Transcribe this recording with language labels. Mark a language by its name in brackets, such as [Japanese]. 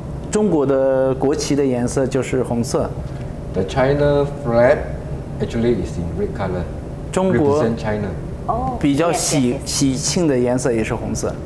[Chinese] 中国的国旗的颜色就是红色。 [English] The China flag actually is in red color. [Chinese] 中国 [English] represent China. [Chinese] 比较喜庆的颜色也是红色。